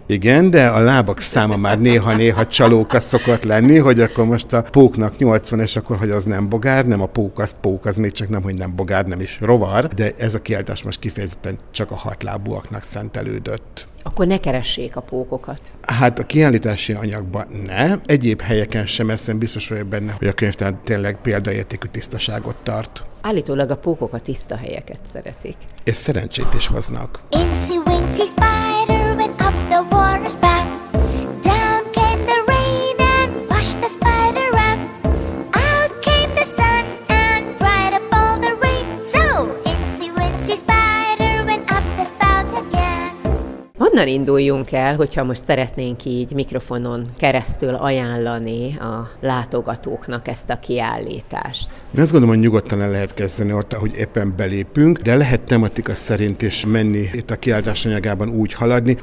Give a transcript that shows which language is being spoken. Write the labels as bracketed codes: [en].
[hu] Igen, de a lábak száma már néha-néha csalóka szokott lenni, hogy akkor most a póknak 80, és akkor, hogy az nem bogár, nem a pók, az még csak nem, hogy nem bogár, nem is rovar, de ez a kiáltás most kifejezetten csak a hatlábúaknak szentelődött. Akkor ne keressék a pókokat. Hát a kiállítási anyagban ne. Egyéb helyeken sem, eszem biztos vagyok benne, hogy a könyvtár tényleg példaértékű tisztaságot tart. Állítólag a pókok a tiszta helyeket szeretik. És szerencsét is hoznak. [en] Incy Wincy Spider went up the water spout. Down came the rain and washed the spider out. Out came the sun and dried up all the rain. So Incy Wincy Spider went up the spout again. [hu] Honnan induljunk el, hogyha most szeretnénk így mikrofonon keresztül ajánlani a látogatóknak ezt a kiállítást? Én azt gondolom, hogy nyugodtan el lehet kezdeni ott, ahogy éppen belépünk, de lehet tematika szerint is menni itt a kiállítás anyagában úgy haladni.